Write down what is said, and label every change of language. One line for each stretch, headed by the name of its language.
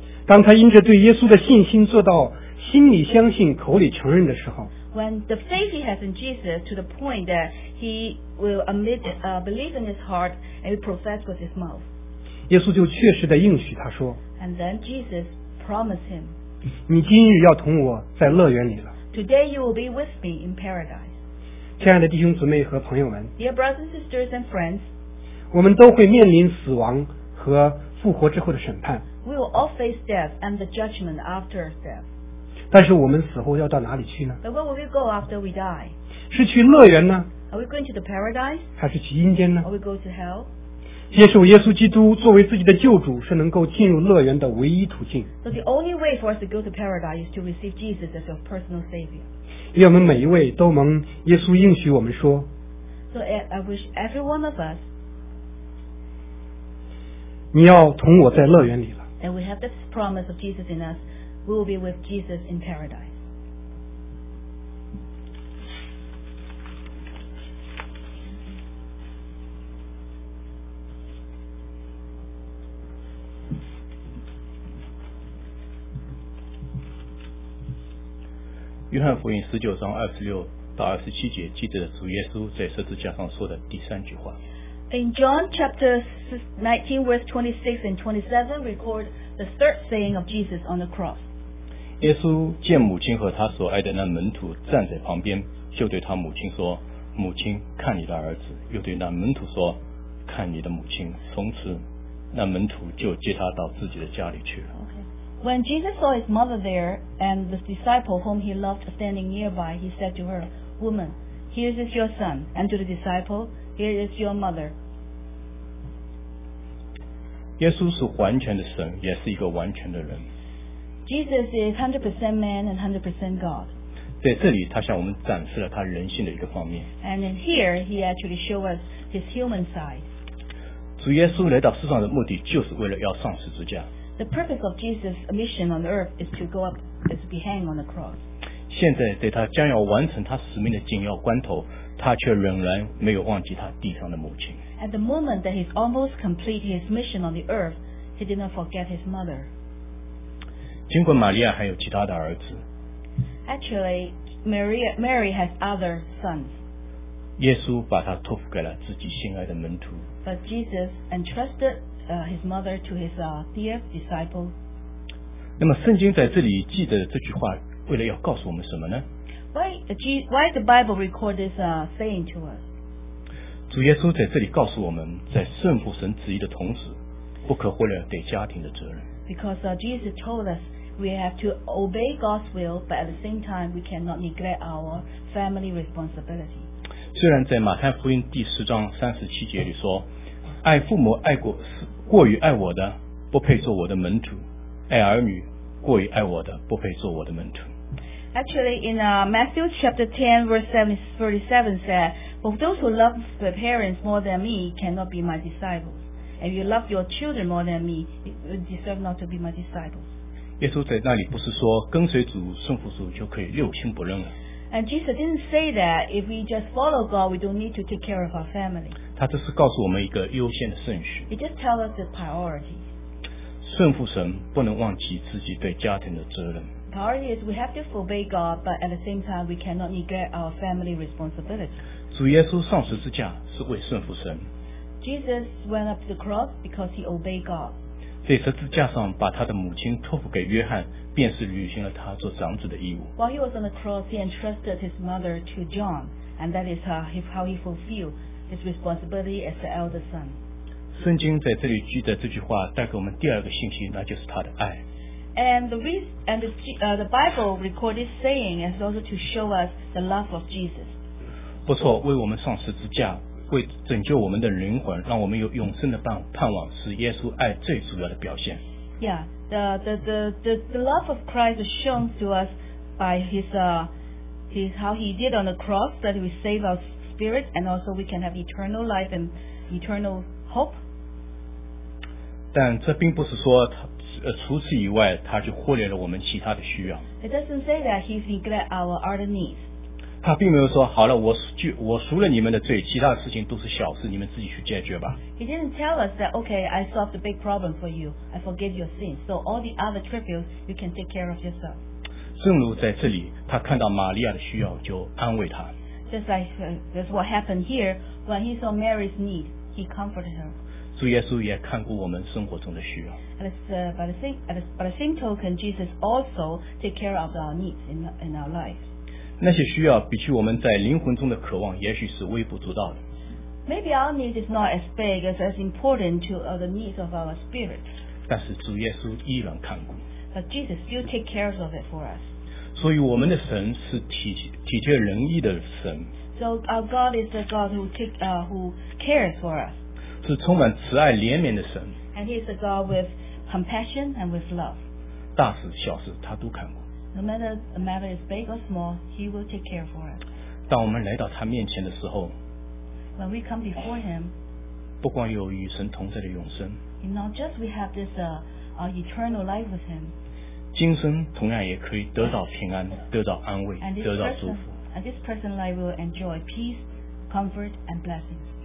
Chinese: 当他因着对耶稣的信心做到心里相信，口里承认的时候。
English: When the faith he has in Jesus to the point that he will admit, believe in his heart and profess with his mouth.
Chinese: 耶稣就确实地应许他说。
English: And then Jesus promised him.
Chinese: 你今日要同我在乐园里了。
English: Today you will be with me in paradise.
Chinese: 亲爱的弟兄姊妹和朋友们
English: Dear brothers and sisters and friends
Chinese: 我们都会面临死亡和复活之后的审判
English: We will all face death and the judgment after death
Chinese: 但是我们死后要到哪里去呢
English: But where will we go after we die?
Chinese: 是去乐园呢
English: Are we going to the paradise?
Chinese: 还是去阴间呢
English: Are we going to hell?
Chinese: 接受耶稣基督作为自己的救主是能够进入乐园的唯一途径
English: So the only way for us to go to paradise is to receive Jesus as your personal savior
Chinese: 愿我们每一位都蒙耶稣应许我们说
English: So I wish every one of us
Chinese: 你要同我在乐园里了
English: And we have this promise of Jesus in us We will be with Jesus in paradise
Chinese: 约翰福音十九章二十六到二十七节记着主耶稣在十字架上说的第三句话。
English: In John chapter 19 verse 26 and 27 record the third saying of Jesus on the cross.
Chinese: 耶稣见母亲和他所爱的那门徒站在旁边，就对他母亲说：“母亲，看你的儿子。” 又对那门徒说：“看你的母亲。” 从此，那门徒就接他到自己的家里去了。
English: When Jesus saw his mother there and the disciple whom he loved standing nearby, he said to her, Woman, here is your son. And to the disciple, here is your mother.
Chinese: 耶稣是完全的神，也是一个完全的人。
English: Jesus is 100% man and 100% God.
Chinese: 在这里他向我们展示了他人性的一个方面。
English: And in here, he actually showed us his human side.
Chinese: 主耶稣来到世上的目的就是为了要上十字架。
English: The purpose of Jesus' mission on earth is to go up, is to be hanged on the cross.
Chinese: 现在在他将要完成他使命的紧要关头，他却仍然没有忘记他地上的母亲。
English: At the moment that he's almost complete his mission on the earth, he did not forget his mother.
Chinese: 尽管玛利亚还有其他的儿子。
English: Actually, Mary has other sons.
Chinese: 耶稣把他托付给了自己心爱的门徒。
English: But Jesus entrusted his mother to his dear disciple.
Chinese: 那么圣经在这里记得这句话为了要告诉我们什么呢
English: why the Bible record this saying to us?
Chinese: 主耶稣在这里告诉我们在顺服神旨意的同时不可忽略对家庭的责任
English: Because Jesus told us we have to obey God's will but at the same time we cannot neglect our family responsibility.
Chinese: 虽然在马太福音第十章三十七节里说爱父母爱过过于爱我的不配做我的门徒爱儿女过于爱我的不配做我的门徒
English: Actually in Matthew chapter 10 verse 37 said for those who love their parents more than me cannot be my disciples if you love your children more than me you deserve not to be my disciples
Chinese: 耶稣在那里不是说跟随主顺服主就可以六亲不认了。
English: And Jesus didn't say that if we just follow God, we don't need to take care of our family.
Chinese: 他只是告诉我们一个优先的顺序。
English: He just tells us the priority.
Chinese: 顺服神不能忘记自己对家庭的责任。
English: Priority is we have to obey God, but at the same time we cannot neglect our family responsibility.
Chinese: 主耶稣上十字架是为顺服神。
English: Jesus went up to the cross because he obeyed God.
Chinese: 在十字架上把他的母亲托付给约翰，便是履行了他做长子的义务。
English: While he was on the cross, he entrusted his mother to John, and that is how he fulfilled his responsibility as the elder son.
Chinese: 圣经在这里记载这句话，带给我们第二个信息，那就是他的爱。
English: And the Bible recorded saying as also to show us the love of Jesus.
Chinese: 不错，为我们上十字架，为拯救我们的灵魂，让我们有永生的盼望，是耶稣爱最主要的表现。
English: Yeah, the love of Christ is shown to us by his how he did on the cross that we save our spirit and also we can have eternal life and eternal hope.
Chinese: 但这并不是说除此以外他就忽略了我们其他的需要。
English: It doesn't say that he neglect our other needs.
Chinese: 他并没有说好了我赎了你们的罪，其他的事情都是小事，你们自己去解决吧。
English: He didn't tell us that, okay, I solved a big problem for you. I forgive your sins. So all the other trivials, you can take care of yourself.
Chinese: 正如在这里，他看到玛利亚的需要，就安慰她。
English: Just like that's what happened here, when he saw Mary's need, he comforted her.
Chinese: 主耶稣也看过我们生活中的需要。
English: By the same token, Jesus also take care of our needs in our life.
Chinese: 那些需要比起我们在灵魂中的渴望，也许是微不足道的。
English: Maybe our need is not as big as important to the needs of our spirit.
Chinese: 但是主耶稣依然看顾。
English: But Jesus still take care of it for us.
Chinese: 所以我们的神是体贴人意的神。
English: So our God is the God who cares for us.
Chinese: 是充满慈爱怜悯的神。
English: And he is a God with compassion and with love.
Chinese: 大事小事他都看顾。
English: No matter the matter is big or small, he will take care for us.
Chinese: 当我们来到他面前的时候，
English: When we come before him,
Chinese: 不光有与神同在的永生，
English: not just we have this eternal life with him,
Chinese: 今生同样也可以得到平安，得到安慰，得到祝福。
English: And this present life will enjoy peace, comfort, and blessings.